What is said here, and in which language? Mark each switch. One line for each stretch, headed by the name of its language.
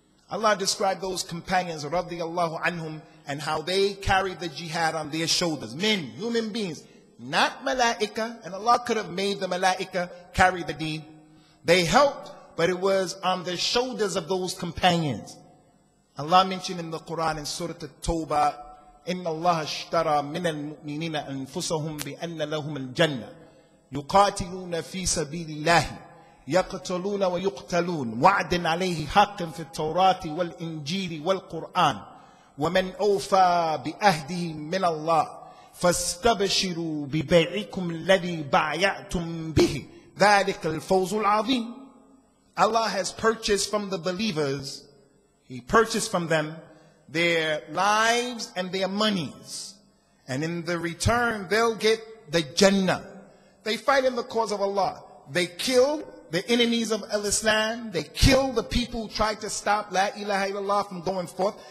English: Allah described those companions, radiallahu anhum, and how they carried the jihad on their shoulders. Men, human beings. Not malaika, and Allah could have made the malaika carry the deen. They helped, but it was on the shoulders of those companions. Allah mentioned in the Quran in Surah At-Tawbah,
Arabic: إِنَّ اللَّهَ اشْتَرَى مِنَ الْمُؤْمِنِينَ أَنفُسَهُمْ بِأَنَّ لَهُمُ الْجَنَّةِ يُقَاتِلُونَ فِي سَبِيلِ اللَّهِ يَقْتُلُونَ وَيُقْتَلُونَ وَعْدًا عَلَيْهِ حَقًّا فِي التَّوْرَاةِ وَالْإِنْجِيلِ وَالْقُرْآنِ وَمَنْ أَوْفَى بِأَهْدِهِ مِنَ اللَّهِ فَاسْتَبَشِرُوا بِبَيْعِكُمْ الَّذِي بَعْيَعْتُمْ بِهِ ذَلِكَ الْفَوْزُ الْعَظِيمُ.
English: Allah has purchased from the believers, He purchased from them their lives and their monies. And in the return, they'll get the Jannah. They fight in the cause of Allah. They kill, the enemies of al-Islam. They kill the people who tried to stop La ilaha illallah from going forth.